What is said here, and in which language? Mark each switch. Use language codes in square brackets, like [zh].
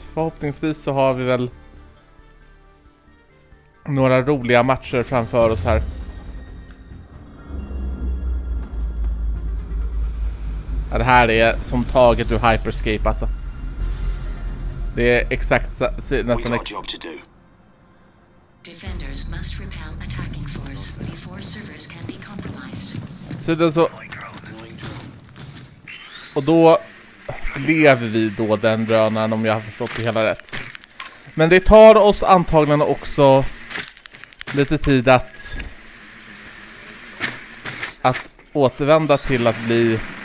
[sv] Förhoppningsvis så har vi väl några roliga matcher framför oss här. Ja, det här är som taget ur Hyperscape alltså. Det är exakt nästan exakt. [en] Defenders must repel attacking force before servers can be compromised. [sv] Så det är så. Och då lever vi då den drönaren, om jag har förstått det hela rätt. Men det tar oss antagligen också lite tid att återvända till att bli.